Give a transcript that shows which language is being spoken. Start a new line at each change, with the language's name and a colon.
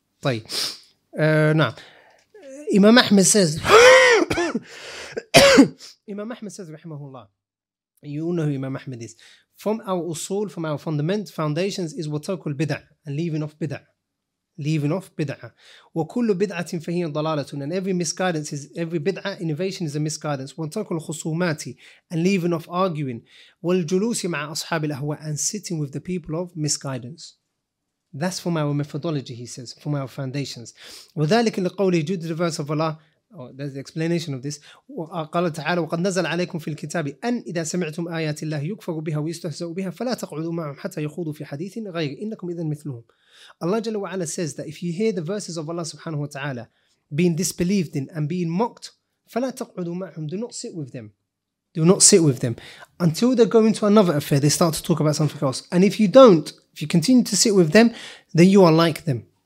Arabic: طيب نعم. إمام أحمد
English: says إمام أحمد says رحمه الله, you know who Imam Ahmad is, from our usul, from our fundament, foundations is what
Arabic: تركوا البدع,
English: leaving off بدع, leaving off بدع,
Arabic: وكل بدعة فهي ضلالة,
English: and every misguidance is, every بدعة innovation is a misguidance,
Arabic: وتركوا الخصومات,
English: and leaving off arguing,
Arabic: والجلوس مع أصحاب الأهواء,
English: and sitting with the people of misguidance. That's from our methodology, he says, from our foundations.
Arabic: وذلك لقوله جود
English: the verse of Allah, oh, there's the explanation of this.
Arabic: قال تعالى وقد نزل عليكم في الكتاب أن إذا سمعتم آيات الله يكفر بها ويستهزأ بها فلا تقعدوا معهم حتى يخوضوا في حديث غير إنكم إذن مثلهم.
English: Allah جل وعلا says that if you hear the verses of Allah سبحانه وتعالى being disbelieved in and being mocked,
Arabic: فلا تقعدوا معهم,
English: do not sit with them, do not sit with them until they go into another affair, they start to talk about something else, and if you don't, if you continue to sit with them, then you are like them.